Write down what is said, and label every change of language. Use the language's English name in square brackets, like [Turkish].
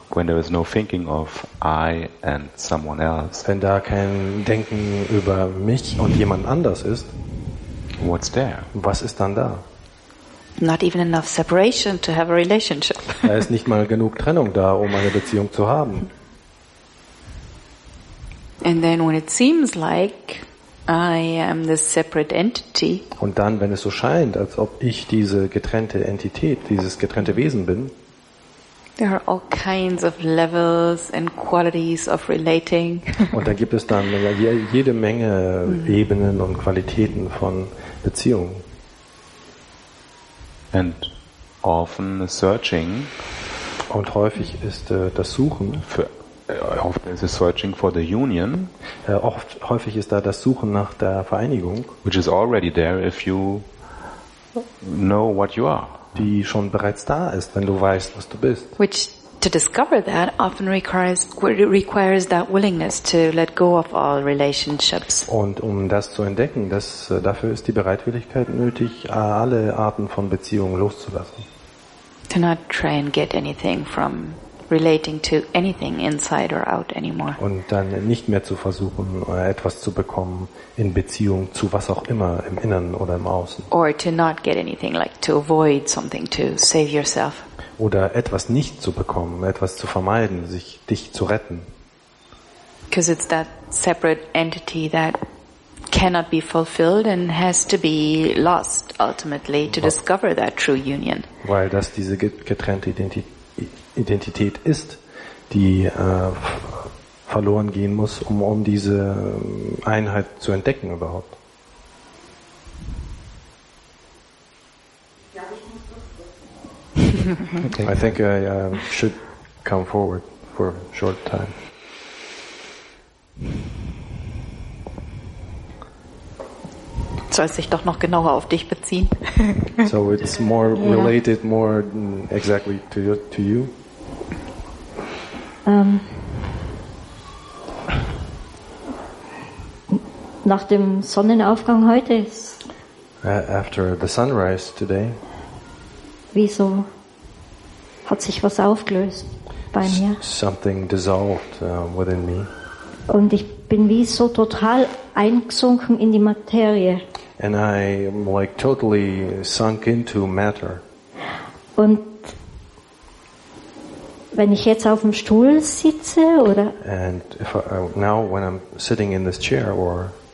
[English] When there is no thinking of I and someone else. [German] Wenn da kein Denken über mich und jemand anders ist. [English] What's there? [German] Was ist dann da? [English] Not even enough separation to have a relationship. [German] Da ist nicht mal genug Trennung da, um eine Beziehung zu haben. [English] And then when it seems like I am this separate entity. [German] Und dann, wenn es so scheint, als ob ich diese getrennte Entität, dieses getrennte Wesen bin. [English] There are all kinds of levels and qualities of relating. [German] Und da gibt es dann jede Menge Ebenen und Qualitäten von Beziehungen. [English] And often searching. [German] Und häufig ist das Suchen. Oft ist es [English] searching for the union. [German] Oft häufig ist da das Suchen nach der Vereinigung. [English] Which is already there if you know what you are. [German] Die schon bereits da ist, wenn du weißt, was du bist. [English] Which to discover that often requires that willingness to let go of all relationships. [German] Und um das zu entdecken, dafür ist die Bereitwilligkeit nötig, alle Arten von Beziehungen loszulassen. [English] To not try and get anything from relating to anything inside or out anymore. [German] Und dann nicht mehr zu versuchen, etwas zu bekommen in Beziehung zu was auch immer im Inneren oder im Außen. [English] Or to not get anything, like to avoid something, to save yourself. [German] Oder etwas nicht zu bekommen, etwas zu vermeiden, sich dich zu retten. [English] Because it's that separate entity that cannot be fulfilled and has to be lost ultimately to discover that true union. [German] Weil das diese getrennte Identität ist, die verloren gehen muss, um diese Einheit zu entdecken überhaupt. [English] Okay. I think I should come forward for a short time. [German] Soll es sich doch noch genauer auf dich beziehen? [English] So it's more related, more exactly to you. [German] Nach dem Sonnenaufgang heute ist. [English] After the sunrise today. [German] Wieso hat sich was aufgelöst bei mir? [English] Something dissolved within me. [German] Und ich bin wie so total eingesunken in die Materie. [English] And I am like totally sunk into matter. [German] Und wenn ich jetzt auf dem Stuhl sitze oder [English] and if I, now when I'm sitting in this chair or